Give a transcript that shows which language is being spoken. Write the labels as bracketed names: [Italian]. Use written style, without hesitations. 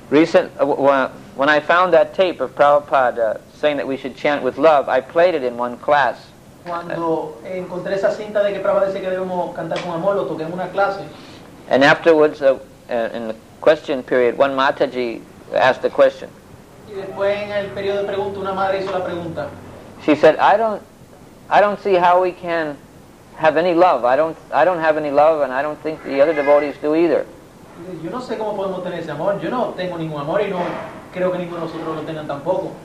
[English] When I found that tape of Prabhupada saying that we should chant with love, I played it in one class. [Spanish] Cuando encontré esa cinta de que Prabhupada dice que debemos cantar con amor, lo toqué en una clase. [English] And afterwards, in the question period, one Mataji asked the question. [Spanish] Y después en el periodo de pregunta, una madre hizo la pregunta. [English] She said, I don't see how we can have any love. I don't have any love, and I don't think the other devotees do either. [Spanish] Yo no sé cómo podemos tener ese amor. Yo no tengo ningún amor y no creo que ninguno de nosotros lo tenga tampoco.